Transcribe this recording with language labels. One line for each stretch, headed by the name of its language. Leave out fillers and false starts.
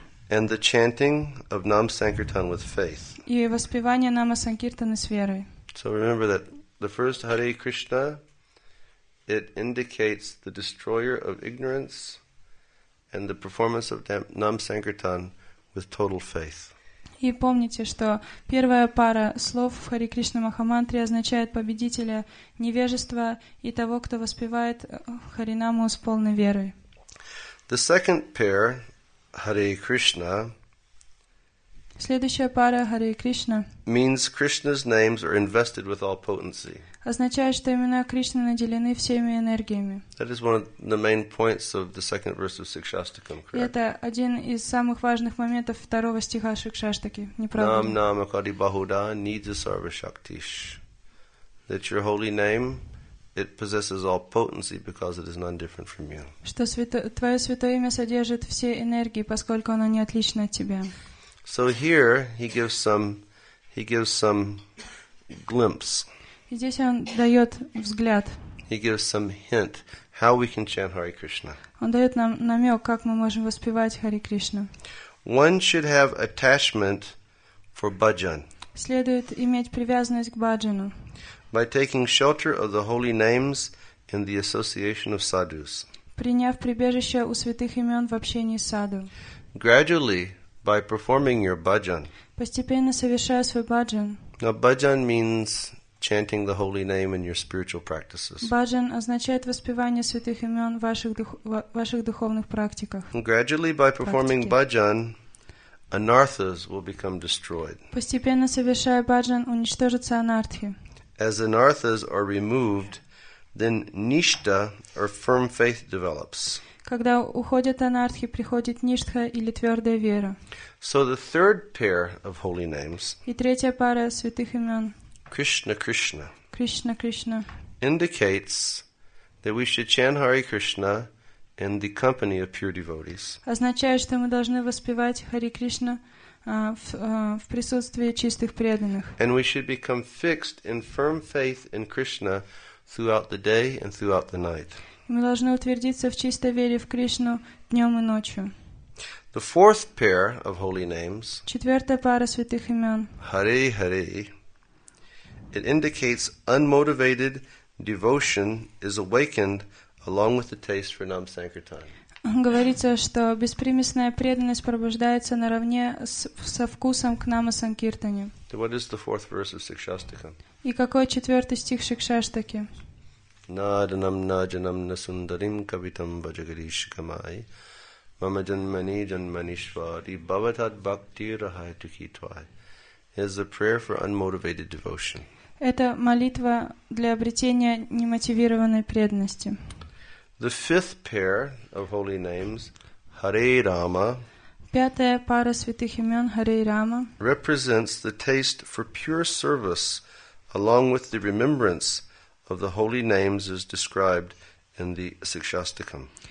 English: And the chanting of Nam Sankirtan with faith.
Russian: И воспевание Нама Санкиртаны с верой.
English: So remember that the first Hare Krishna, it indicates the destroyer of ignorance and the performance of Nam Sankirtan with total faith.
Russian: И помните, что первая пара слов в Hare Krishna Махамантре означает победителя невежества и того, кто воспевает Харинаму с полной верой.
English: The second pair, Hare Krishna.
Russian: Следующая пара Hare Krishna.
English: Means Krishna's names are invested with all potency.
Russian: Означает, что имена Кришны наделены всеми энергиями.
English: That is one of the main points of the second verse of Sikshastakam.
Russian: Это один из самых важных моментов второго стиха Шикшаштаки.
Sanskrit: Нам нам акади бахуда нидзи сарва шактиш.
English: That your holy name, it possesses all potency because it is none different from you.
Russian: Что твое святое имя содержит все энергии, поскольку оно не отлично от тебя.
English: So here he gives some glimpse.
Russian: И здесь он дает взгляд.
English: He gives some hint how we can chant Hare Krishna.
Russian: Он дает нам намек, как мы можем воспевать Hare Krishna.
English: One should have attachment for bhajan.
Russian: Следует иметь привязанность к бхаджану.
English: By taking shelter of the holy names in the association of sadhus.
Russian: Приняв прибежище у святых имен в общении с саду.
English: Gradually, by performing your bhajan.
Russian: Постепенно совершая свой bhajan.
English: Now, bhajan means chanting the holy name in your spiritual practices.
Russian: Bhajan означает воспевание святых имен в ваших духовных практиках.
English: Gradually, by performing bhajan, anarthas will become destroyed.
Russian: Постепенно совершая bhajan, уничтожатся анартхи.
English: As anarthas are removed, then nishta, or firm faith, develops.
Russian: Когда уходят анартхи, приходит ништха или твердая вера.
English: So the third pair of holy names.
Russian: И третья пара святых имен.
English: Krishna Krishna.
Russian: Krishna Krishna.
English: Indicates that we should chant Hare Krishna in the company of pure devotees.
Russian: Означает, что мы должны воспевать Hare Krishna в присутствии чистых преданных.
English: And we should become fixed in firm faith in Krishna throughout the day and throughout the night.
Russian: Мы должны утвердиться в чистой вере в Кришну днем и ночью.
English: The fourth pair of holy names.
Russian: Четвертая пара святых имен.
English: Hare Hare. It indicates unmotivated devotion is awakened along with the taste for Nam Sankirtan.
Russian: Говорится, что беспримесная преданность пробуждается наравне со вкусом к Нама Санкиртане.
English: What is the fourth verse of Сикшаштика?
Russian: И какой четвертый стих Сикшаштики?
Sanskrit: Наданам наджанам насундарим кавитам баджагариш камай мама джанмани джанманишвари баватад бхакти рахай тухи твай.
English: It is a prayer for unmotivated devotion.
Russian: Это молитва для обретения немотивированной преданности.
English: The fifth pair of holy names, Hare Rama,
Russian: пятая пара святых имен, Hare Rama,
English: represents the taste for pure service along with the remembrance of the holy names as described in the Sikshastikam.